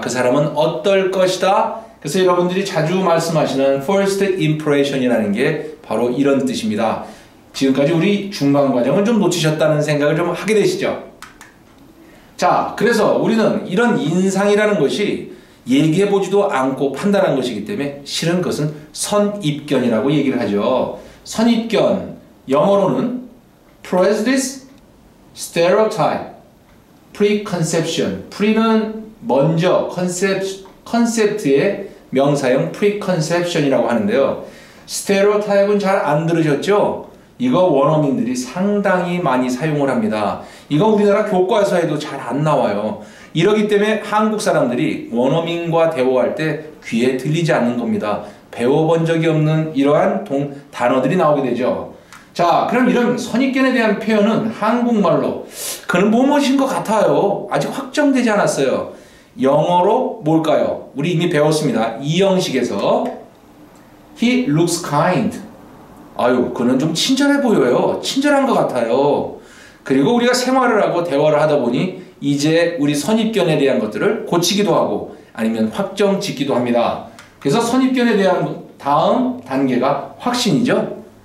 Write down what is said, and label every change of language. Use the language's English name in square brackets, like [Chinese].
[Korean] 그 사람은 어떨 것이다. 그래서 여러분들이 자주 말씀하시는 first impression이라는 게 바로 이런 뜻입니다. 지금까지 우리 중간 과정을 좀 놓치셨다는 생각을 좀 하게 되시죠. 자, 그래서 우리는 이런 인상이라는 것이 얘기해보지도 않고 판단한 것이기 때문에 실은 그것은 선입견이라고 얘기를 하죠. 선입견, 영어로는 prejudice, stereotype, preconception. pre는 먼저, concept의 명사형 preconception이라고 하는데요. stereotype은 잘 안 들으셨죠? 이거 원어민들이 상당히 많이 사용을 합니다. 이거 우리나라 교과서에도 잘 안 나와요. 이러기 때문에 한국 사람들이 원어민과 대화할 때 귀에 들리지 않는 겁니다. 배워본 적이 없는 이러한 단어들이 나오게 되죠. 자, 그럼 이런 선입견에 대한 표현은 한국말로 그는 뭐뭐신 것 같아요. 아직 확정되지 않았어요. 영어로 뭘까요? 우리 이미 배웠습니다. 이형식에서 [English] He looks kind. [Korean] 아유, 그는 좀 친절해 보여요. 친절한 것 같아요. 그리고 우리가 생활을 하고 대화를 하다 보니 이제 우리 선입견에 대한 것들을 고치기도 하고 아니면 확정 짓기도 합니다. 그래서 선입견에 대한 다음 단계가 확신이죠.